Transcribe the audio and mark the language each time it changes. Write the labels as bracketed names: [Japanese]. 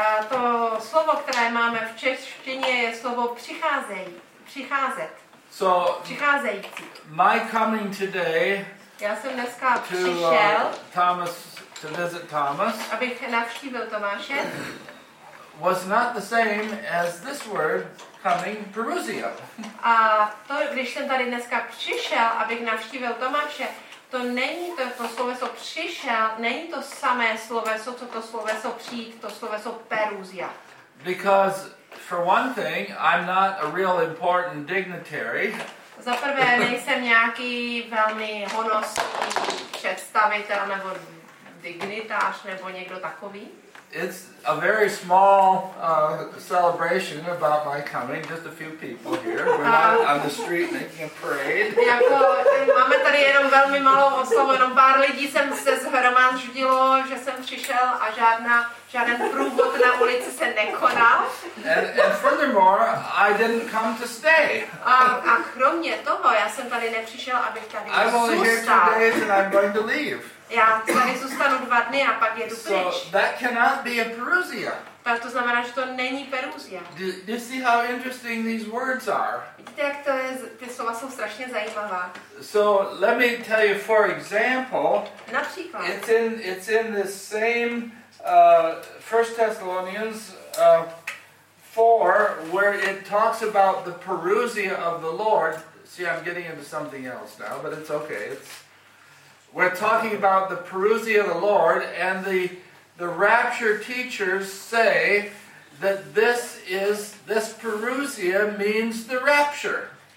[Czech] To slovo, které máme v češtině, je slovo přicházet. [English] So, [Czech] přicházející. [English] My coming today. [Czech] Já jsem dneska přišel. [English] To visit Thomas. [Czech] Abych navštívil Tomáše. [English] Was not the same as this word coming parousia. [Czech] A to, když jsem tady dneska přišel, abych navštívil Tomáše, to není to sloveso přišel, není to samé sloveso, co to sloveso přijít, to sloveso parousia. [English] Because for one thing, I'm not a real important dignitary. [Czech] Za prvé, nejsem nějaký velmi honosný představitel nebo dignitář nebo někdo takový. [English] It's a very small celebration about my coming, just a few people here. We're not on the street making a parade. [Czech] Jako, máme tady jenom velmi malou oslavu, jenom pár lidí jsem se zhromáždilo, že jsem přišel a žádný průvod na ulici se nekonal. [English] And furthermore, I didn't come to stay. [Czech] A kromě toho, já jsem tady nepřišel, abych tady zůstal. [English] I'm only here 2 days and I'm going to leave. [Czech] Já tady zůstanu 2 dny a pak jedu pryč. [English] So that cannot be a parousia. [Czech] Tak to znamená, že to není parousia. [English] Do you see how interesting these words are? [Czech] Vidíte, jak ty slova jsou strašně zajímavá. [English] So let me tell you, for example, [Czech] například. [English] It's in the same 1 Thessalonians 4, where it talks about the parousia of the Lord. See, I'm getting into something else now, but it's okay. We're talking about the parousia of the Lord, and the rapture teachers say that this parousia means the rapture.